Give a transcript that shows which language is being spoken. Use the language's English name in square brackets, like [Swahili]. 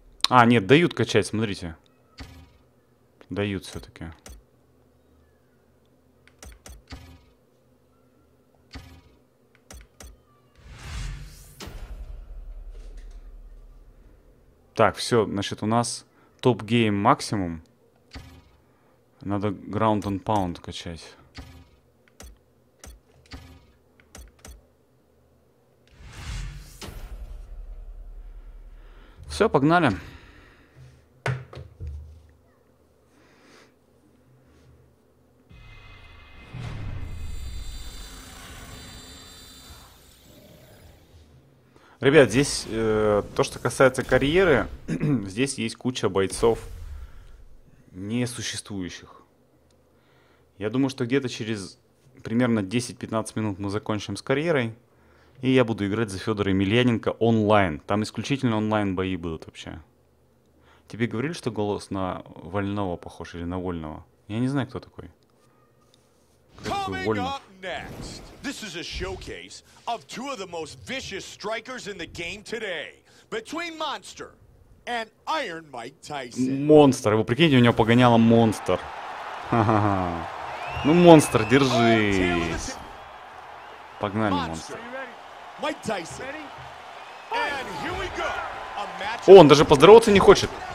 [Russian] А, нет, дают качать, смотрите. Дают все-таки. Так, все, значит, у нас топ-гейм максимум. Надо [English] ground and pound [Russian] качать. Все, погнали. Ребят, здесь то, что касается карьеры, здесь есть куча бойцов несуществующих. Я думаю, что где-то через примерно 10-15 минут мы закончим с карьерой. И я буду играть за Федора Емельяненко онлайн. Там исключительно онлайн бои будут вообще. Тебе говорили, что голос на Вольного похож или на Вольного? Я не знаю, кто такой. [English] Coming up next, this is a showcase of two of the most vicious strikers in the game today, between Monster and Iron Mike Tyson. [Russian] Monster, вы прикиньте, у него погоняло Monster. Ха-ха-ха. Ну, Monster, держись. Погнали, Monster. [English] Mike Tyson. And here we go. [Russian] О, он даже поздороваться не хочет.